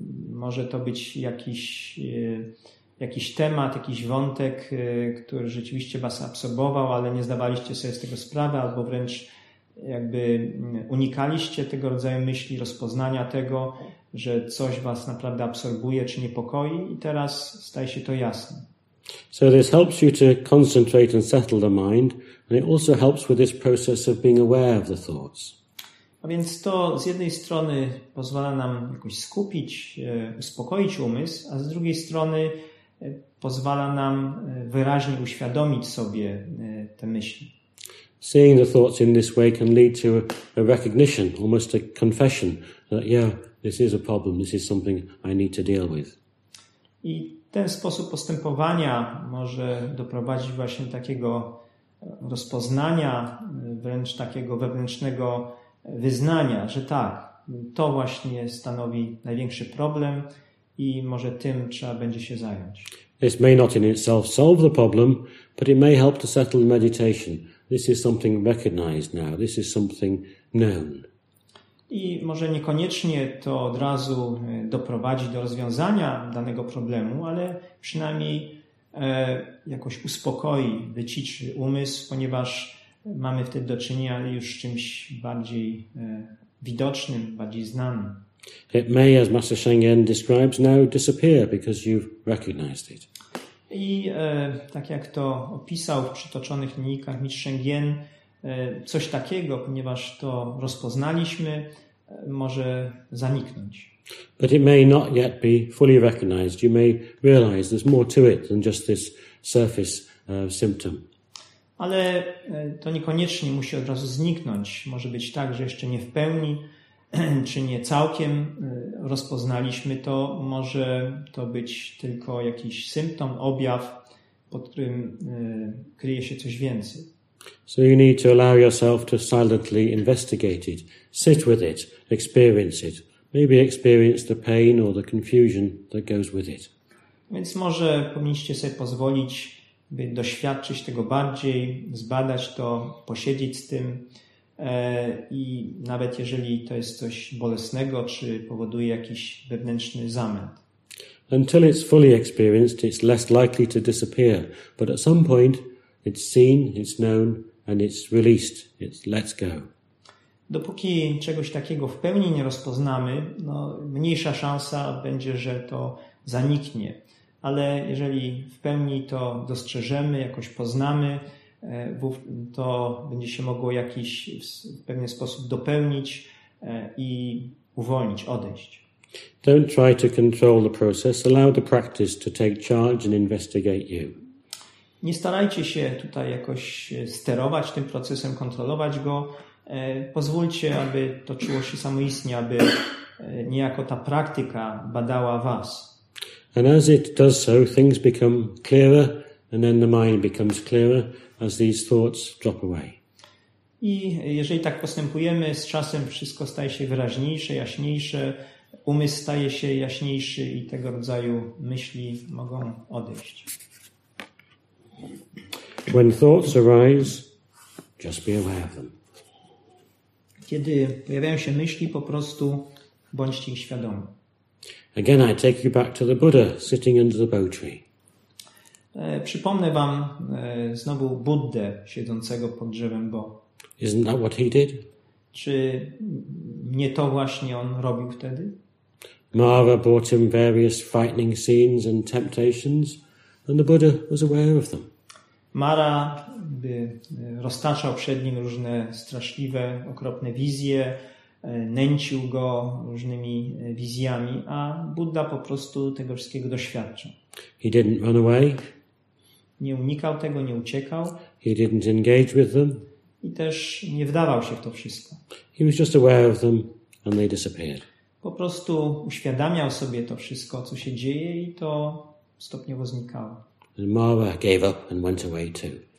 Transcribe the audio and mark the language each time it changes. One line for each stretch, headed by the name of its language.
Polish: Może to być jakiś temat, jakiś wątek, który rzeczywiście was absorbował, ale nie zdawaliście sobie z tego sprawy, albo wręcz jakby unikaliście tego rodzaju myśli, rozpoznania tego, że coś was naprawdę absorbuje czy niepokoi, i teraz staje się to jasne.
English: So this helps you to concentrate and settle the mind, and it also helps with this process of being aware of the thoughts.
Polish: A więc to z jednej strony pozwala nam jakoś skupić, uspokoić umysł, a z drugiej strony pozwala nam wyraźnie uświadomić sobie te myśli.
English: Seeing the thoughts in this way can lead to a recognition, almost a confession, that yeah, this is a problem, this is something I need to deal with.
Polish: I ten sposób postępowania może doprowadzić właśnie do takiego rozpoznania, wręcz takiego wewnętrznego wyznania, że tak, to właśnie stanowi największy problem i może tym trzeba będzie się zająć.
English: This may not in itself solve the problem, but it may help to settle the meditation. This is something recognized now, this is something known.
Polish: I może niekoniecznie to od razu doprowadzi do rozwiązania danego problemu, ale przynajmniej jakoś uspokoi, wyciszy umysł, ponieważ mamy wtedy do czynienia już z czymś bardziej widocznym, bardziej znanym.
English: It may, as Master Shengen describes, now disappear because you've recognized it.
Polish: I tak jak to opisał w przytoczonych mnikach Mistrz Shengen, coś takiego, ponieważ to rozpoznaliśmy, może zaniknąć.
English: But it may not yet be fully recognized. You may realize there's more to it than just this surface symptom.
Polish: Ale to niekoniecznie musi od razu zniknąć. Może być tak, że jeszcze nie w pełni, czy nie całkiem rozpoznaliśmy to. Może to być tylko jakiś symptom, objaw, pod którym kryje się coś więcej.
English: So you need to allow yourself to silently investigate it, sit with it, experience it. Maybe experience the pain or the confusion that goes with it.
Polish: Więc może powinniście sobie pozwolić, by doświadczyć tego bardziej, zbadać to, posiedzieć z tym i nawet jeżeli to jest coś bolesnego, czy powoduje jakiś wewnętrzny zamęt.
English: Until it's fully experienced, it's less likely to disappear. But at some point, it's seen, it's known, and it's released, it lets go.
Polish: Dopóki czegoś takiego w pełni nie rozpoznamy, no, mniejsza szansa będzie, że to zaniknie. Ale jeżeli w pełni to dostrzeżemy, jakoś poznamy, to będzie się mogło jakiś w pewien sposób dopełnić i uwolnić, odejść.
English: Don't try to control the process. Allow the practice to take charge and investigate you.
Polish: Nie starajcie się tutaj jakoś sterować tym procesem, kontrolować go. Pozwólcie, aby toczyło się samoistnie, aby niejako ta praktyka badała was.
English: And as it does so, things become clearer, and then the mind becomes clearer as these thoughts drop away.
Polish: I jeżeli tak postępujemy, z czasem wszystko staje się wyraźniejsze, jaśniejsze, umysł staje się jaśniejszy i tego rodzaju myśli mogą odejść.
English: When thoughts arise, just be aware of them.
Polish: Kiedy pojawiają się myśli, po prostu bądźcie ich świadomi.
English: Again, I take you back to the Buddha sitting under the bow tree.
Polish: Przypomnę wam znowu Buddę siedzącego pod drzewem Bo.
English: Isn't that what he did?
Polish: Czy nie to właśnie on robił wtedy?
English: Mara brought him various frightening scenes and temptations, and the Buddha was aware of them.
Polish: Mara by roztaczał przed nim różne straszliwe, okropne wizje, nęcił go różnymi wizjami, a Budda po prostu tego wszystkiego doświadczał.
English: He didn't run away.
Polish: Nie unikał tego, nie uciekał.
English: He didn't engage with them.
Polish: I też nie wdawał się w to wszystko.
English: He was just aware of them and they disappeared.
Polish: Po prostu uświadamiał sobie to wszystko, co się dzieje i to stopniowo znikało.
English: And Mara gave up and went away too.